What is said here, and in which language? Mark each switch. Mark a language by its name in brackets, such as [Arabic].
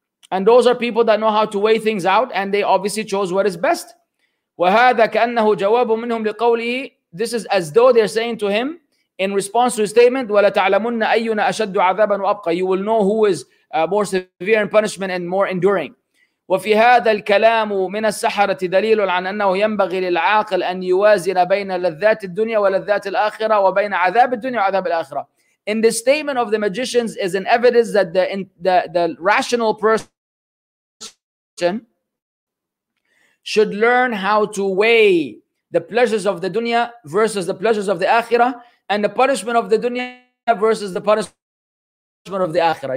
[English] And those are people that know how to weigh things out, and they obviously chose what is best. [Arabic] وَهَذَا كَأَنَّهُ جَوَابٌ مِّنْهُمْ لِقَوْلِهِ. [English] This is as though they're saying to him in response to his statement, [Arabic] وَلَتَعْلَمُنَّ أَيُّنَا أَشَدُّ عَذَابًا وَأَبْقَى. [English] You will know who is more severe in punishment and more enduring. [Arabic] وفي هذا الكلام من السحرة دليل عن أنه ينبغي للعاقل أن يوازن بين لذات الدنيا ولذات الآخرة وبين عذاب الدنيا وعذاب الآخرة. [English] In the statement of the magicians is an evidence that the rational person should learn how to weigh the pleasures of the dunya versus the pleasures of the akhirah and the punishment of the dunya versus the punishment of the akhirah.